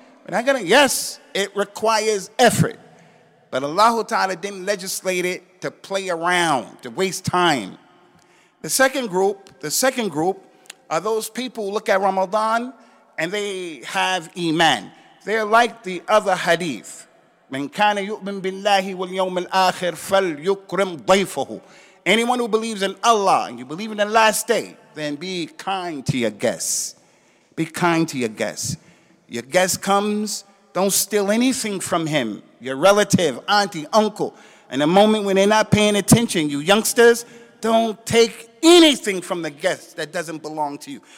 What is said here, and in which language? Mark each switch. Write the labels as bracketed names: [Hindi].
[English] We're not gonna, yes, it requires effort. But Allah Ta'ala didn't legislate it to play around, to waste time. The second group are those people who look at Ramadan and they have iman. They're like the other hadith. [Arabic] من كان يؤمن بالله واليوم الآخر فليكرم ضيفه. [English] Anyone who believes in Allah and you believe in the last day, then be kind to your guests. Be kind to your guests. Your guest comes, don't steal anything from him. Your relative, auntie, uncle. In a moment when they're not paying attention, you youngsters, don't take anything from the guests that doesn't belong to you.